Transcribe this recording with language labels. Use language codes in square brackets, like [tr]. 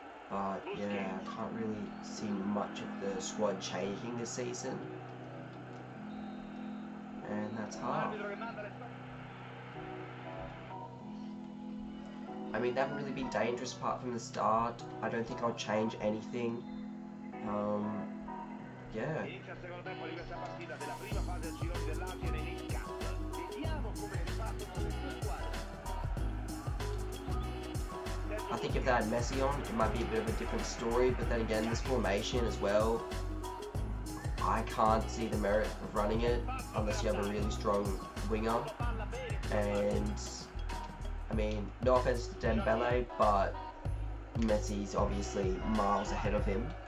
[en] But yeah, I can't really see much of the squad changing this season. And that's hard. I mean, they haven't really been dangerous apart from the start. I don't think I'll change anything. [it] Inizia il secondo tempo di questa partita della prima fase del girone dell'Asia e il campo. Vediamo come partono le due squadre. [en] I think if they had Messi on, it might be a bit of a different story, but then again, this formation as well, I can't see the merit of running it unless you have a really strong winger. And, I mean, no offense to Dembele, but Messi's obviously miles ahead of him.